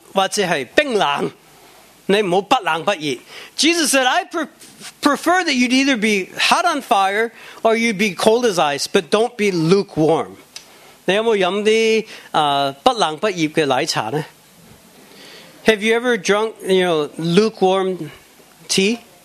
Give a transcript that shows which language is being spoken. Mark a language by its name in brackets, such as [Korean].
[Chinese] 耶稣说,我宁愿你是热的火滚,或者是冰冷,你不要不冷不热. [English] Jesus said, I prefer that you'd either be hot on fire, or you'd be cold as ice, but don't be lukewarm. [Chinese] 你有没有喝不冷不热的奶茶呢? [English] Have you ever drunk, you know, lukewarm tea?